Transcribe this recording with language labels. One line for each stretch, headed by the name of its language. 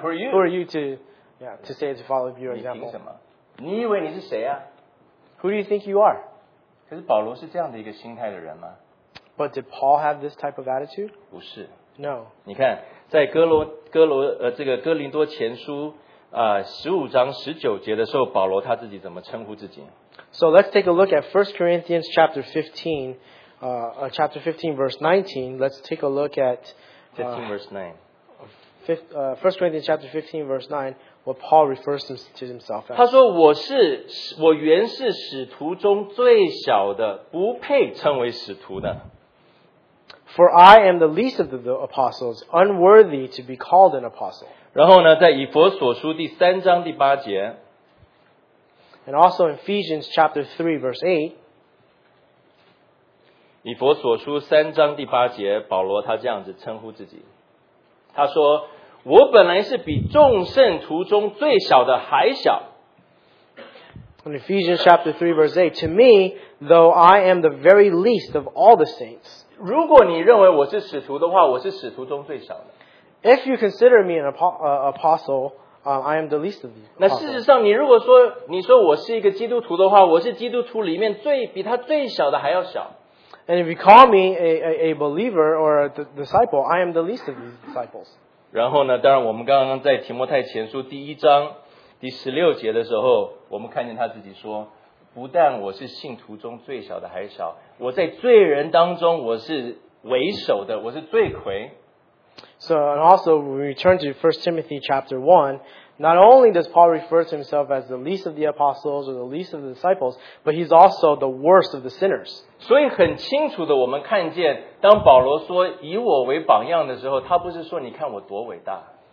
English: Who are you to say to follow your example?
Chinese: 你凭什么？你以为你是谁啊？
English: Who do you think you are?
Chinese: 可是保罗是这样的一个心态的人吗？
English: But did Paul have this type of attitude?
Chinese: 不是。
English: No.
Chinese: 你看，在哥林多前书15:19的时候，保罗他自己怎么称呼自己？
English: So let's take a look at 1 Corinthians chapter 15, chapter 15 verse 19. Let's take a look at 15 verse 9. 1 Corinthians chapter 15 verse 9 what Paul refers to himself as
Chinese: 他说我原是使徒中最小的不配称为使徒的
English: For I am the least of the apostles unworthy to be called an apostle
Chinese: 然后呢在以弗所书第三章第八节
English: And also in Ephesians chapter 3 verse 8
Chinese: 以弗所书三章第八节保罗他这样子称呼自己他说我本来是比众圣徒中最小的还小。
English: In Ephesians chapter 3 verse 8, To me, though I am the very least of all the saints.
Chinese: 如果你认为我是使徒的话我是使徒中最小的。
English: If you consider me an apostle, I am the least of the apostles.
Chinese: 那事实上你如果说你说我是一个基督徒的话我是基督徒里面最比他最小的还要小。
English: And if you call me a believer or a disciple, I am the least of these disciples.
Chinese: 然后呢当然我们刚刚在提摩太前书第一章第十六节的时候我们看见他自己说不但我是信徒中最小的还小我在罪人当中我是为首的我是罪魁。
English: So, and also we return to 1 Timothy chapter 1. Not only does Paul refer to himself as the least of the apostles or the least of the disciples, but he's also the worst of the sinners.
Chinese: 所以很清楚的我们看见当保罗说以我为榜样的时候他不是说你看我多伟大。